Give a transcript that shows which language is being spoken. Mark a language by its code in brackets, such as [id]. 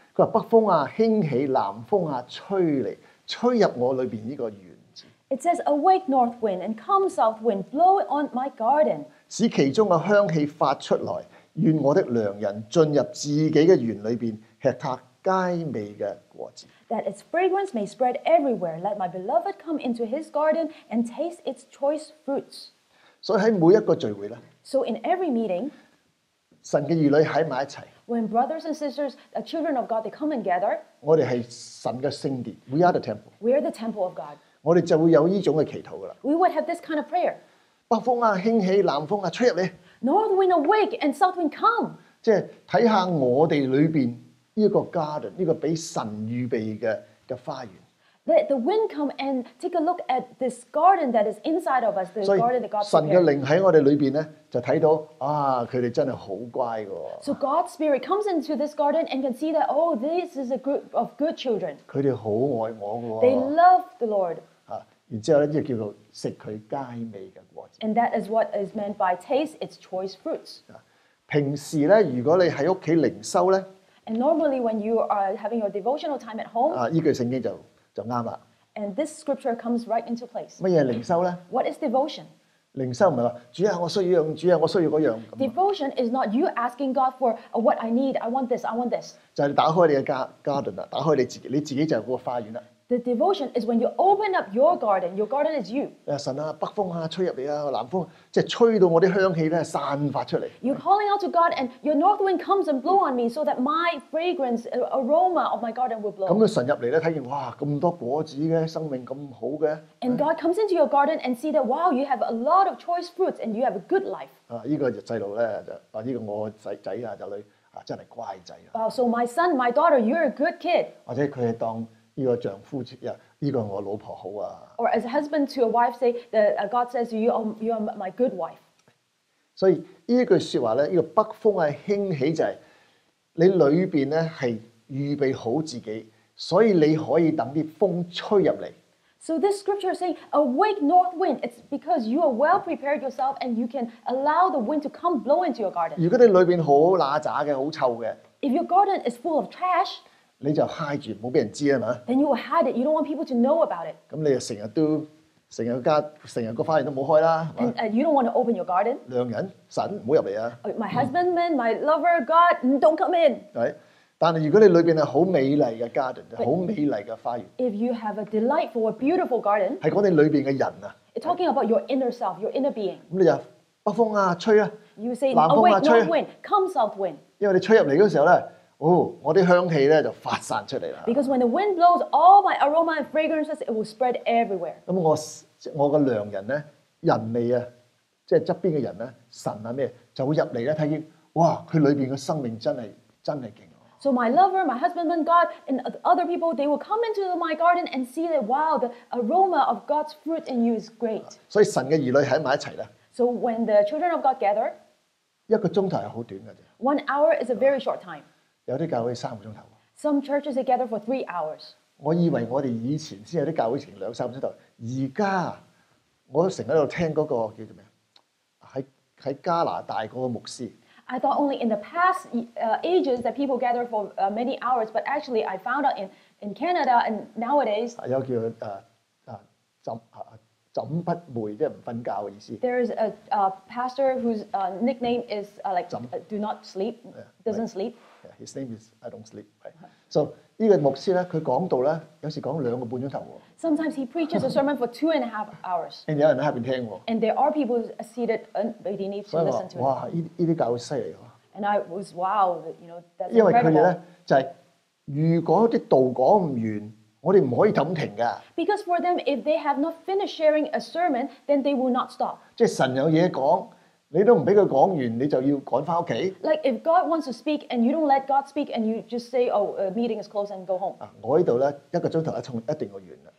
[yue] 佢话北风啊兴起，南风啊吹嚟，吹入我里边呢个园。 [en] It says, Awake north wind, and come south wind, blow it on my garden. [yue] 使其中的香气发出来，愿我的良人进入自己的园里面，吃他佳美的果子。 [en] That its fragrance may spread everywhere, let my beloved come into his garden and taste its choice fruits. [yue] 所以在每一个聚会呢, [en] So in every meeting, [yue] 神的儿女在一起, [en] When brothers and sisters, the children of God, they come and gather, [yue] 我们是神的圣殿, [en] We are the temple. We are the temple of God. [yue] 我哋就會有依種嘅祈禱噶啦。 [en] We would have this kind of prayer. [yue] 北風啊，興起；南風啊，吹入嚟。 [en] North wind awake and south wind come. [yue] 即係睇下我哋裏邊呢個 garden， 呢個俾神預備嘅花園。 [en] Let the wind come and take a look at this garden that is inside of us. The garden that God prepared. [yue] 神嘅靈喺我哋裏邊咧，就睇到啊，佢哋真係好乖噶。 [en] So God's spirit comes into this garden and can see that oh, this is a group of good children. [yue] 佢哋好愛我噶。 [en] They love the Lord. [yue] 然之後咧，就叫做食佢佳美嘅果子。 [en] And that is what is meant by taste its choice fruits. [yue] 平時咧，如果你喺屋企靈修咧 [en] ，And normally when you are having your devotional time at home， [yue] 啊，依句聖經就啱啦。 [en] And this scripture comes right into place。 [yue] 乜嘢靈修咧 [en] ？What is devotion？ [yue] 靈修唔係話主啊，我需要樣，主啊，我需要嗰樣。 [en] Devotion is not you asking God for what I need. I want this. I want this。 [yue] 就係打開你嘅 garden 啦，打開你自己，你自己就係嗰個花園啦。 [en] The devotion is when you open up your garden. Your garden is you. [yue] 神啊，北风啊，吹入嚟啊，南风即系吹到我啲香气咧散发出嚟。 [en] You're calling out to God, and your north wind comes and blow on me, so that my fragrance, aroma of my garden will blow. [yue] 咁啊，神入嚟咧，睇见哇，咁多果子嘅，生命咁好嘅。 [en] And God comes into your garden and see that wow, you have a lot of choice fruits and you have a good life. [yue] 啊，呢个细路咧就啊，呢个我仔啊仔女啊，真系乖仔啊。 [en] So my son, my daughter, you're a good kid. [yue] 或者佢系当。呢個丈夫呀，呢個我老婆好啊。 [en] Or as a husband to a wife say, the God says you are my good wife. [yue] 所以呢句説話咧，呢個北風啊興起就係你裏邊咧係預備好自己，所以你可以等啲風吹入嚟。 [en] So this scripture is saying, awake north wind. It's because you are well prepared yourself and you can allow the wind to come blow into your garden. [yue] 如果你裏邊好垃圾嘅、好臭嘅 [en] ，If your garden is full of trash。 [yue] 你就 hide 住，冇俾人知啊嘛。 [en] Then you will hide it. You don't want people to know about it. [yue] 咁你又成日個花園都冇開啦。 [en] And you don't want to open your garden. [yue] 良人神唔好入嚟啊。 [en] My husband, man, my lover, God, don't come in. [yue] 係，但係如果你裏邊係好美麗嘅 garden， 好美麗嘅花園。 [en] If you have a delightful, a beautiful garden， [yue] 係講你裏邊嘅人啊。 [en] It's talking about your inner self, your inner being。 [yue] 咁你就北風啊，吹啊。 [en] You say, awake north wind, come south wind。 [yue] 因為你吹入嚟嗰時候咧。哦，我啲香氣咧就發散出嚟啦。 [en] Because when the wind blows, all my aroma and fragrances it will spread everywhere. [yue] 咁我個良人咧，人味啊，即係側邊嘅人咧，神啊咩，就會入嚟咧睇見，哇！佢裏邊嘅生命真係勁。 [en] So my lover, my husbandman, God, and other people, they will come into my garden and see that wow, the aroma of God's fruit in you is great. [yue] 所以神嘅兒女喺埋一齊咧。 [en] So when the children of God gather, [yue] 一個鐘頭係好短嘅啫。 [en] One hour is a very short time. [yue] 有啲教會三個鐘頭。 [en] Some churches they gather for 3 hours. [yue] 我以為我哋以前先有啲教會成兩三個鐘頭，而家我成日喺度聽嗰個叫做咩啊？喺加拿大嗰個牧師。 [en] I thought only in the past ages that people gather for many hours, but actually I found out in Canada and nowadays. [yue] 有叫枕不寐，即係唔瞓覺嘅意思。 [en] There is a pastor whose nickname is like do not sleep, doesn't sleep. His name is I don't sleep. [yue] So 呢個牧師咧，佢講到咧，有時講兩個半鐘頭喎。 [en] Sometimes he preaches a sermon for 2.5 hours. [yue] And 有人喺下邊聽喎。 [en] And there are people seated waiting to listen to it. [yue] 哇！呢啲教會犀利喎。 [en] And I was wow, you know, that's incredible. [yue] 因為佢哋咧就係如果啲道講唔完，我哋唔可以咁停噶。 [en] Because for them, if they have not finished sharing a sermon, then they will not stop. [yue] 即係神有嘢講。你都唔俾佢講完，你就要趕翻屋企。 [en] Like if God wants to speak and you don't let God speak and you just say, oh, a meeting is closed and go home. [yue] 我呢度咧一個鐘頭一定要完啦。